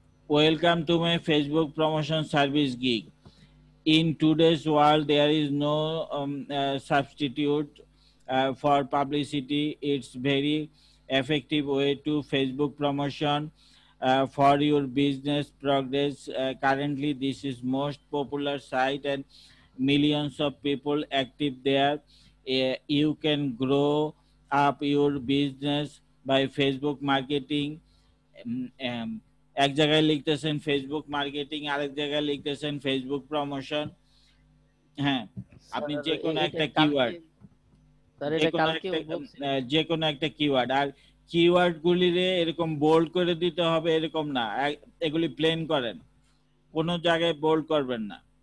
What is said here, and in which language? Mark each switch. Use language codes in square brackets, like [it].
[en] Welcome to my Facebook promotion service gig. In today's world there is no substitute for publicity, it's very effective way to Facebook promotion for your business progress. Currently this is most popular site and millions of people active there. You can grow up your business by Facebook marketing. [bn] এক জায়গায় লিখতেছেন Facebook marketing, আরেক জায়গায় লিখতেছেন Facebook promotion. হ্যাঁ, আপনি যে কোনো একটা keyword, যে কোনো কালকে একটা, যে কোনো একটা কিওয়ার্ড, আর কিওয়ার্ড গুলিরে এরকম বোল্ড করে দিতে হবে এরকম না, এগুলি প্লেন করেন, কোনো জায়গায় বোল্ড করবেন না।